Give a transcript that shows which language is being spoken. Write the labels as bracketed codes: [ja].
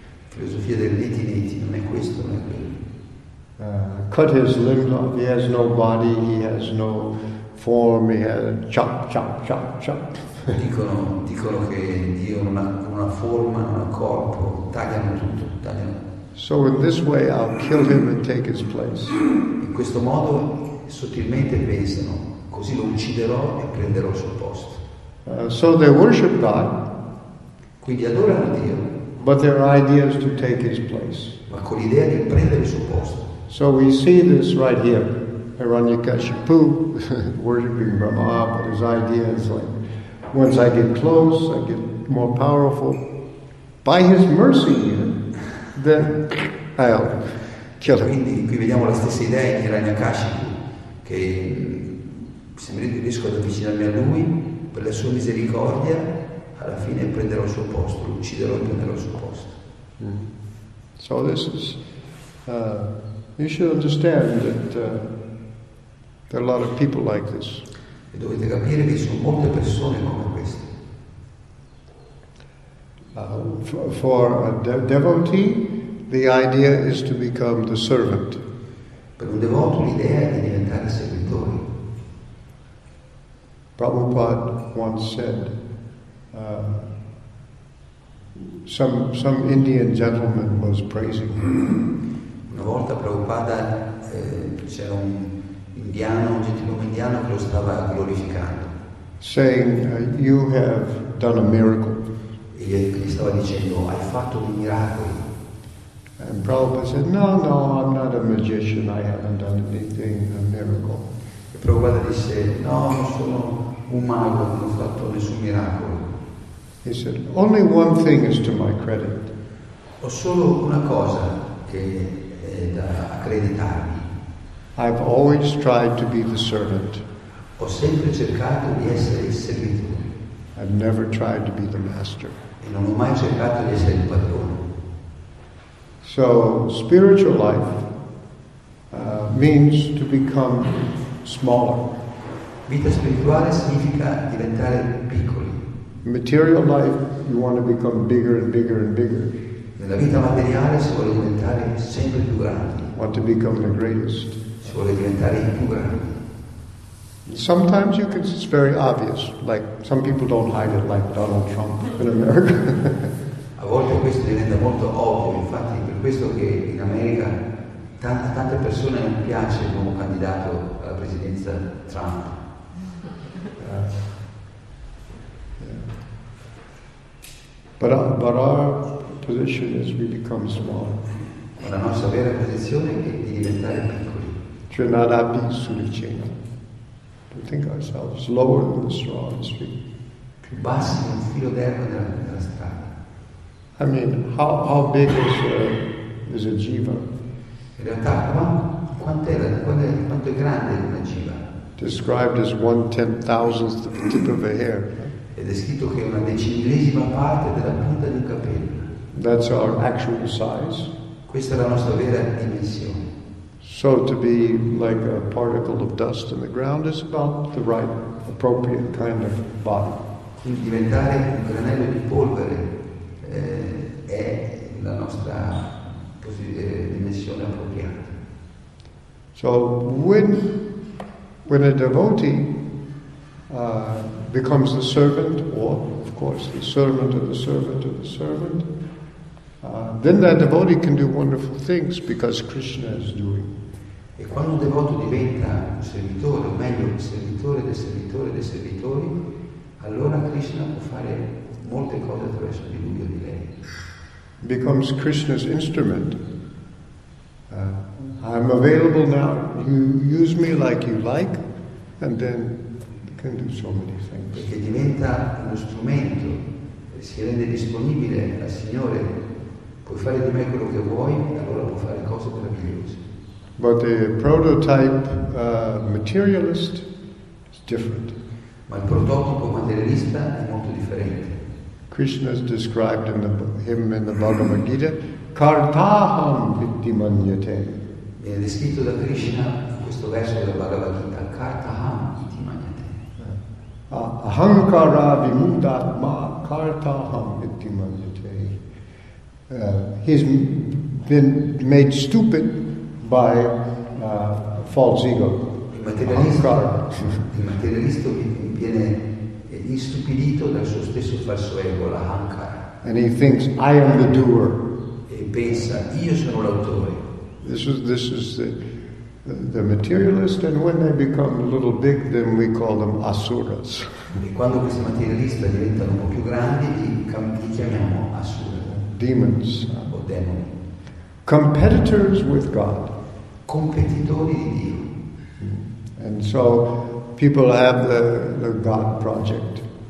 [it] Filosofia del neti, non è questo, non è quello. [en] Cut his limbs off, he has no body, he has no form, he has chop. [it] Dicono che Dio non ha forma, non ha corpo, tagliano tutto, tagliano. [en] So in this way I'll kill him and take his place. [it] In questo modo sottilmente pensano, così lo ucciderò e prenderò il suo posto. [en] So they worship God. [it] Quindi adorano Dio. [en] But their idea is to take his place. [it] Ma con l'idea di prendere il suo posto. [en] So we see this right here. Hiranyakashipu worshiping Brahma, but his idea is like, once I get close, I get more powerful. By his mercy here, then I'll kill him. [it] Quindi qui vediamo la stessa idea di Hiranyakashipu, che se mi riesco ad avvicinarmi a lui, per la sua misericordia, alla fine prenderò il suo posto, lo ucciderò e prenderò il suo posto. [en] So this is, you should understand that there are a lot of people like this. [it] E dovete capire che ci sono molte persone come queste. [en] For a devotee, the idea is to become the servant. [it] Per un devoto l'idea è di diventare servitore. [en] Prabhupada once said, some Indian gentleman was praising him. [it] Un Una volta Prabhupada c'era un indiano, un gentiluomo indiano che lo stava glorificando. [en] Saying, you have done a miracle. [it] E gli stava dicendo, hai fatto un miracolo. [en] And Prabhupada said, no, no, I'm not a magician, I haven't done anything, a miracle. [it] E Prabhupada disse, no, non sono un mago, non ho fatto nessun miracolo. [en] He said, only one thing is to my credit. [it] Ho solo una cosa che è da accreditarmi. [en] I've always tried to be the servant. [it] Ho sempre cercato di essere il servitore. [en] I've never tried to be the master. [it] E non ho mai cercato di essere il padrone. [en] So, spiritual life means to become smaller. [it] Vita spirituale significa diventare piccoli. [en] Material life, you want to become bigger and bigger and bigger. [it] Nella vita materiale si vuole diventare sempre più grandi. [en] Want to become the greatest. [it] Si vuole diventare più grandi. [en] Sometimes you can, it's very obvious, like some people don't hide it, like Donald Trump in America. [it] A volte questo diventa molto ovvio, infatti per questo che in America tante persone non piace il nuovo candidato alla presidenza Trump. [en] But our position is we become small. [it] Ma la nostra vera posizione è di diventare piccoli. Cioè non abbi sufficienza. [en] To think ourselves lower than the straw in the street. [it] Più bassi di un filo d'erba nella strada. [en] I mean, how big is a jiva? [it] In realtà, quanto è grande una jiva? [en] Described as 1/10,000th of the tip of a hair. [it] Ed è scritto che è una decimillesima parte della punta di un capello. [en] That's our actual size. [it] Questa è la nostra vera dimensione. [en] So to be like a particle of dust in the ground is about the right, appropriate kind of body. [it] Quindi diventare un granello di polvere è la nostra dimensione appropriata. [en] So when a devotee becomes the servant, or of course the servant of the servant of the servant, then that devotee can do wonderful things because Krishna is doing. [it] E quando un devoto diventa un servitore, o meglio, un servitore del servitore dei servitori, allora Krishna può fare molte cose attraverso di lui o di lei. [en] Becomes Krishna's instrument. I'm available now, you use me like you like, and then can do so many things. [it] Perché diventa uno strumento, si rende disponibile al Signore, puoi fare di me quello che vuoi, allora può fare cose meravigliose. [en] But the prototype materialist is different. [it] Ma il prototipo materialista è molto differente. [en] Krishna is described in the Bhagavad Gita, [sa] Kartaham Vittimanyate. [it] Viene descritto da Krishna in questo verso della Bhagavad Gita, [sa] Kartaham Vittimanyate. Ahankara Vimudatma Kartaham Vittimanyate. [en] He's been made stupid by false ego. [it] Il materialista viene istupidito dal suo stesso falso ego, la ahankara. [en] And he thinks I am the doer. [it] E pensa io sono l'autore. [en] This is the materialist, and when they become a little big, then we call them asuras. [it] E quando questi materialisti diventano un po' più grandi, li chiamiamo asura. [en] Demons. [it] O demoni. [en] Competitors with God. [it] Competitori di Dio. [en] And so people have the God project.